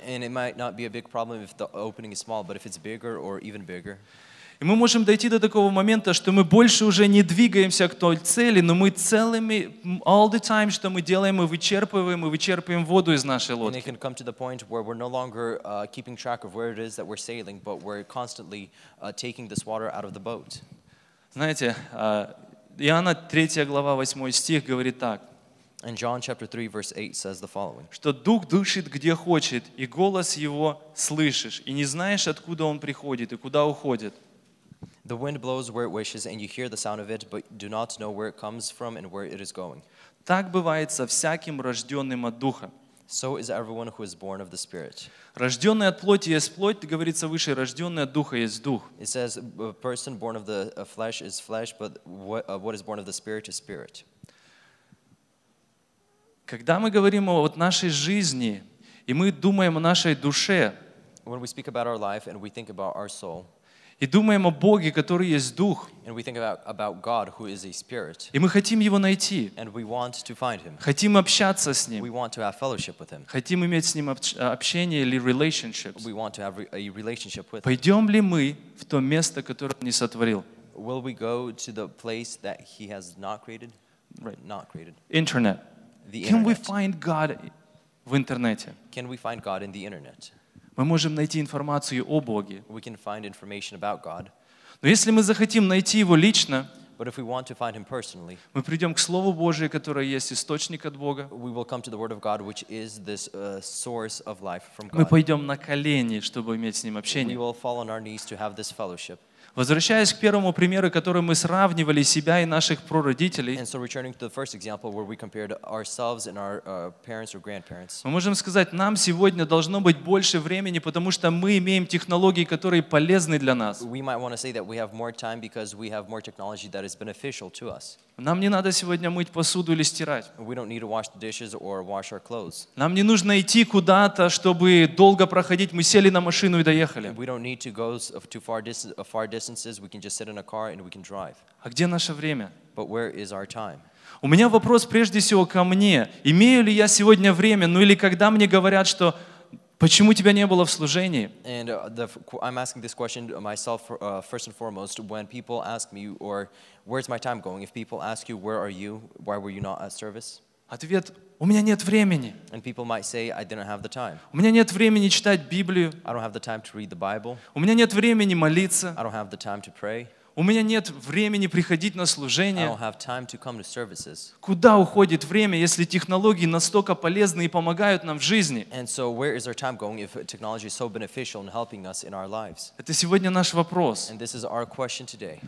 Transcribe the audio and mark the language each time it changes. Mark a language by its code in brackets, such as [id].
[en] And it might not be a big problem if the opening is small, but if it's bigger or even bigger. [ru] И мы можем дойти до такого момента, что мы больше уже не двигаемся к той цели, но мы целыми, [en] all the time, [ru] что мы делаем, мы вычерпываем воду из нашей лодки. [en] And it can come to the point where we're no longer keeping track of where it is that we're sailing, but we're constantly taking this water out of the boat. [ru] Знаете, Иоанна 3 глава 8 стих говорит так. [en] And John chapter 3 verse 8 says the following. [ru] Что дух дышит где хочет, и голос его слышишь, и не знаешь, откуда он приходит и куда уходит. [en] The wind blows where it wishes, and you hear the sound of it, but do not know where it comes from and where it is going. [ru] Так бывает со всяким рожденным от духа. [en] So is everyone who is born of the Spirit. [ru] Рожденный от плоти есть плоть, говорится выше, рожденный от духа есть дух. [en] It says, a person born of the flesh is flesh, but what is born of the Spirit is Spirit. [ru] Когда мы говорим о нашей жизни, и мы думаем о нашей душе, [en] when we speak about our life and we think about our soul, [ru] и думаем о Боге, который есть Дух. [en] And we think about God, who is a Spirit. [ru] И мы хотим Его найти. [en] And we want to find Him. [ru] Хотим общаться с Ним. [en] We want to have fellowship with Him. [ru] Хотим иметь с Ним общение или relationships. [en] We want to have a relationship with Him. [ru] Пойдем ли мы в то место, которое Он не сотворил? [en] Will we go to the place that He has not created? Right. Not created. Internet. The Internet. Can we find God [ru] в интернете? [en] Can we find God in the Internet? [ru] Мы можем найти информацию о Боге. [en] We can find information about God. [ru] Но если мы захотим найти Его лично, [en] but if we want to find Him personally, [ru] мы придем к Слову Божию, которое есть источник от Бога. [en] We will come to the Word of God, which is this source of life from God. [ru] Мы пойдем на колени, чтобы иметь с Ним общение. [en] We will fall on our knees to have this fellowship. [ru] Возвращаясь к первому примеру, который мы сравнивали себя и наших прародителей, [en] and so returning to the first example where we compared ourselves and our parents or grandparents, [ru] мы можем сказать, нам сегодня должно быть больше времени, потому что мы имеем технологии, которые полезны для нас. [en] We might want to say that we have more time because we have more technology that is beneficial to us. [ru] Нам не надо сегодня мыть посуду или стирать. [en] We don't need to wash the dishes or wash our clothes. [ru] Нам не нужно идти куда-то, чтобы долго проходить. Мы сели на машину и доехали. [en] We don't need to go too far distance, far distances. We can just sit in a car and we can drive. [ru] А где наше время? [en] But where is our time? [ru] У меня вопрос прежде всего ко мне. Имею ли я сегодня время? Ну или когда мне говорят, что почему тебя не было в служении? [en] And I'm asking this question myself first and foremost. When people ask me, or where's my time going? If people ask you, where are you? Why were you not at service? [ru] Ответ: у меня нет времени. [en] And people might say, I didn't have the time. [ru] У меня нет времени читать Библию. [en] I don't have the time to read the Bible. [ru] У меня нет времени молиться. [en] I don't have the time to pray. [ru] У меня нет времени приходить на служение. [en] I don't have time to come to services. [ru] Куда уходит время, если технологии настолько полезны и помогают нам в жизни? [en] And so where is our time going if technology is so beneficial in helping us in our lives? [ru] Это сегодня наш вопрос. [en] And this is our question today.